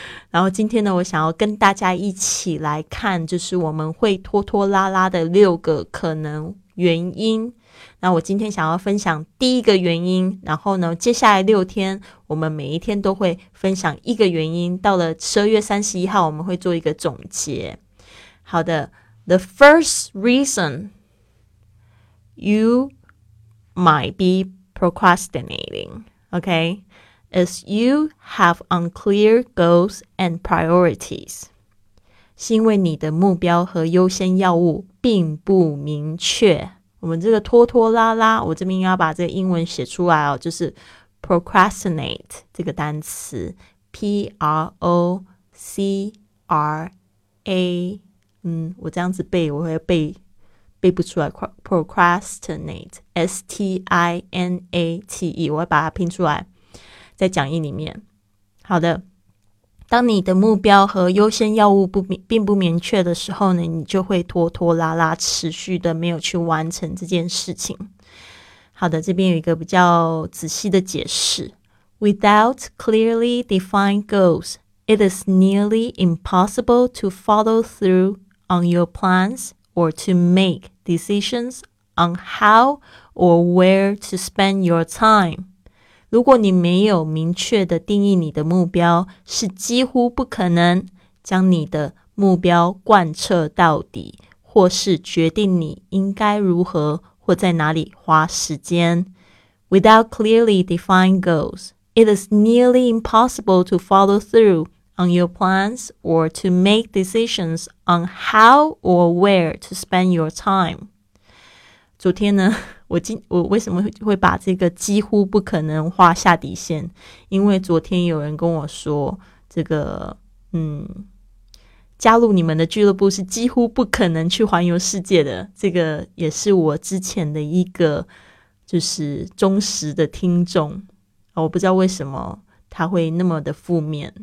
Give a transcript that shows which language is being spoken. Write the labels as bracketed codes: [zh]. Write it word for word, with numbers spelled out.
[zh] 然后今天呢我想要跟大家一起来看，就是我们会拖拖拉拉的六个可能原因。那我今天想要分享第一个原因，然后呢接下来六天我们每一天都会分享一个原因，到了十二月三十一号我们会做一个总结。 [en] 好的，The first reason you might be procrastinating, okay, is you have unclear goals and priorities. [zh] 是因为你的目标和优先要务并不明确。我们这个拖拖拉拉，我这边要把这个英文写出来哦，就是 procrastinate 这个单词 P R O C R A。嗯，我这样子背我会背背不出来 procrastinate S T I N A T E， 我会把它拼出来在讲义里面。好的，当你的目标和优先药物不并不明确的时候呢，你就会拖拖拉拉，持续的没有去完成这件事情。好的，这边有一个比较仔细的解释。 [en] Without clearly defined goals, it is nearly impossible to follow through on your plans or to make decisions on how or where to spend your time. [zh] 如果你没有明确的定义你的目标，是几乎不可能将你的目标贯彻到底，或是决定你应该如何或在哪里花时间。 [en] Without clearly defined goals, it is nearly impossible to follow through on your plans or to make decisions on how or where to spend your time. [zh] 昨天呢，我今我为什么会把这个几乎不可能画下底线？因为昨天有人跟我说，这个嗯，加入你们的俱乐部是几乎不可能去环游世界的。这个也是我之前的一个就是忠实的听众，我不知道为什么他会那么的负面。